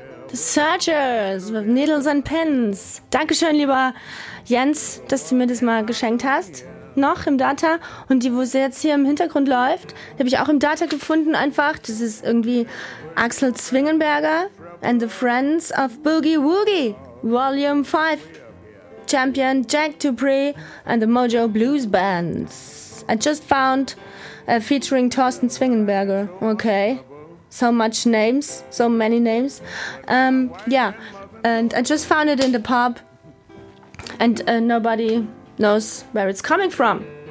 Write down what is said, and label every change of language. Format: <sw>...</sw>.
<en>Searchers with Needles and Pins.</en> <de>Dankeschön, lieber Jens, dass du mir das mal geschenkt hast. Noch im Data. Und die, wo sie jetzt hier im Hintergrund läuft, die habe ich auch im Data gefunden einfach. Das ist irgendwie Axel Zwingenberger and the Friends of Boogie Woogie. Volume 5. Champion Jack Dupree and the Mojo Blues Bands.</de> <en>I just found featuring Thorsten Zwingenberger. Okay. So much names, so many names. Yeah, and I just found it in the pub, and nobody knows where it's coming from.</en>